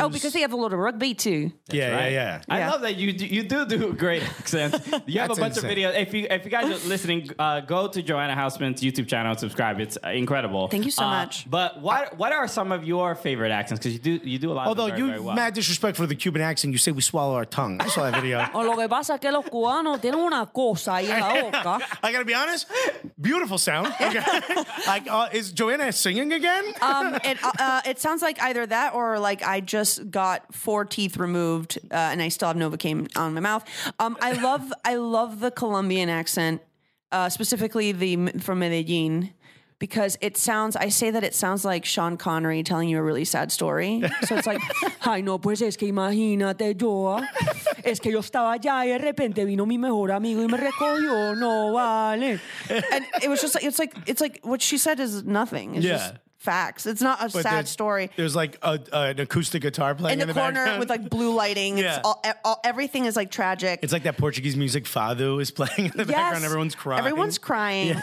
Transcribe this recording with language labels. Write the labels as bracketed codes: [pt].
[en] Oh, because they have a lot of rugby too. That's right. I love that you do great accents. You have a bunch of videos. If you guys are listening, go to Joanna Hausmann's YouTube channel and subscribe. It's incredible. Thank you so much. But what are some of your favorite accents? Because you do a lot Although of them very well. Mad disrespect for the Cuban accent. You say we swallow our tongue. I saw that video. [es] Oh, lo que pasa que los cubanos tienen una cosa en la boca. [en] I got to be honest. Beautiful sound. Okay. Is Joanna singing again? It sounds like either that or like I just got 4 teeth removed and I still have Novocaine on my mouth. I love the Colombian accent, specifically the from Medellin, because it sounds like Sean Connery telling you a really sad story. So it's like, [es] ay no, pues es que imagínate yo. Es que yo estaba allá y de repente vino mi mejor amigo y me recogió. No vale. [en] And it was just like, it's like what she said is nothing. It's facts. It's not a but sad story. There's like an acoustic guitar playing in the corner background. With like blue lighting. It's everything is like tragic. It's like that Portuguese music Fado is playing in the background. Everyone's crying.